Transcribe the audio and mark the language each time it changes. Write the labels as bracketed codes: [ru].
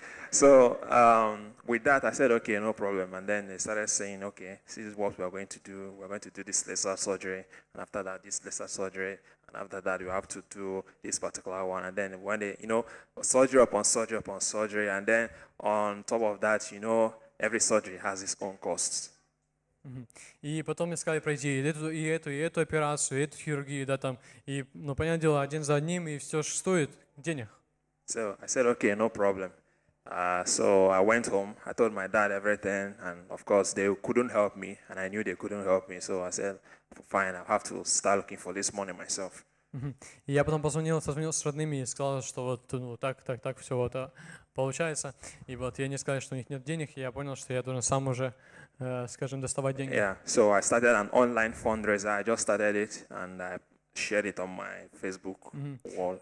[en] So, with that, I said, okay, no problem. And then they started saying, okay, this is what we're going to do. We're going to do this laser surgery. And after that, this laser surgery. And after that, you have to do this particular one. And then when they, you know, surgery upon surgery upon surgery. And then on top of that, you know, every surgery has its own costs. [ru] И потом мне сказали пройти и эту операцию, и эту хирургию, да, там. И, ну, понятное дело, один за одним, и все же стоит денег. [en] So, I said, okay, no problem. So I went home, I told my dad everything, and of course they couldn't help me, and I knew they couldn't help me, so I said, fine, I'll have to start looking for this money myself. [ru] И я потом созвонил с родными и сказал, что вот, ну, так, все вот получается. И вот, и они сказали, что у них нет денег, и я понял, что я должен сам уже, скажем, доставать деньги. [en] Yeah, so I started an online fundraiser, I just started it, and I share it on my Facebook wall.